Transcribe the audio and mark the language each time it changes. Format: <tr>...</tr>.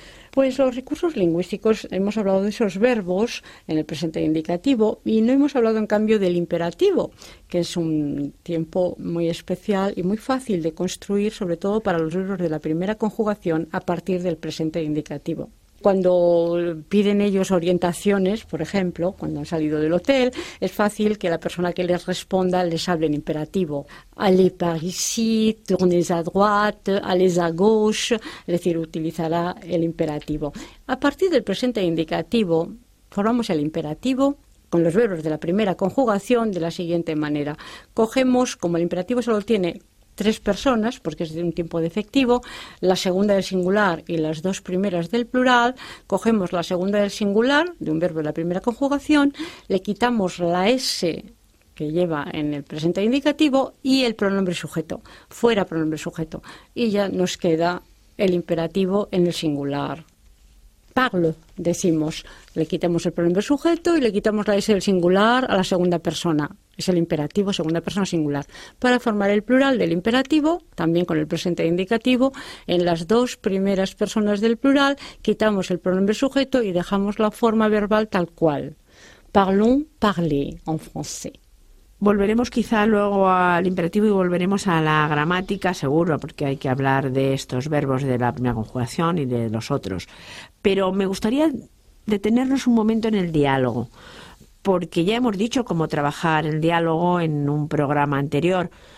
<es>pues los recursos lingüísticos, hemos hablado de esos verbos en el presente indicativo y no hemos hablado en cambio del imperativo, que es un tiempo muy especial y muy fácil de construir, sobre todo para los verbos de la primera conjugación a partir del presente indicativo. Cuando piden ellos orientaciones, por ejemplo, cuando han salido del hotel, es fácil que la persona que les responda les hable en imperativo.</es> <fr>Allez par ici, tournez à droite, allez à gauche,</fr> <es>es decir, utilizará el imperativo. A partir del presente indicativo, formamos el imperativo con los verbos de la primera conjugación de la siguiente manera. Cogemos, como el imperativo solo tiene tres personas, porque es de un tiempo defectivo, la segunda del singular y las dos primeras del plural, cogemos la segunda del singular de un verbo de la primera conjugación, le quitamos la S que lleva en el presente indicativo y el pronombre sujeto, fuera pronombre sujeto, y ya nos queda el imperativo en el singular. Parle, decimos, le quitamos el pronombre sujeto y le quitamos la S del singular a la segunda persona. Es el imperativo, segunda persona singular. Para formar el plural del imperativo, también con el presente indicativo, en las dos primeras personas del plural, quitamos el pronombre sujeto y dejamos la forma verbal tal cual.</es> <fr>Parlons, parlez en français.</fr> <es>Volveremos quizá luego al imperativo y volveremos a la gramática, seguro, porque hay que hablar de estos verbos de la primera conjugación y de los otros. Pero me gustaría detenernos un momento en el diálogo, porque ya hemos dicho cómo trabajar el diálogo en un programa anterior.</es>